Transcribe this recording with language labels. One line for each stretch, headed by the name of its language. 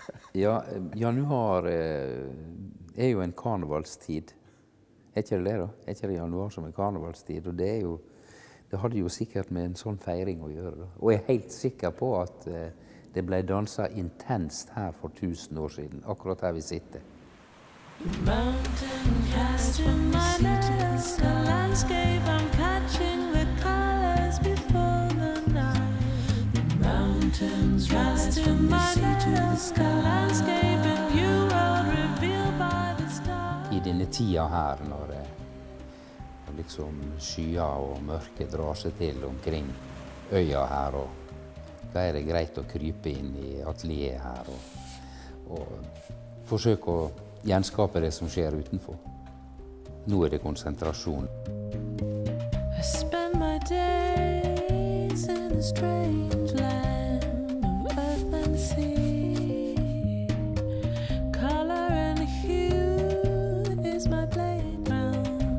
Norwegian: Ja, januar jo en karnevalstid. Ikke det da? Ikke det januar som en karnevalstid? Og det jo, det hadde jo sikkert med en sånn feiring å gjøre. Da. Og jeg helt sikker på at Det ble danset intenst her for 1000 år siden, akkurat her vi sitter.
English: Mountain cast in my net, the landscape I'm catching with colors before the night. Mountains cast in my net, the landscape in you are revealed by the stars.
Norwegian: I denne tida her, når liksom skya og mørket drar seg til omkring øya her, og da er det greit å krype inn i atelieret her og forsøke å gjenskape det som skjer utenfor. Nå er det konsentrasjon.
English: I spend my days in a strange land of earth and sea. Color and hue is my playground.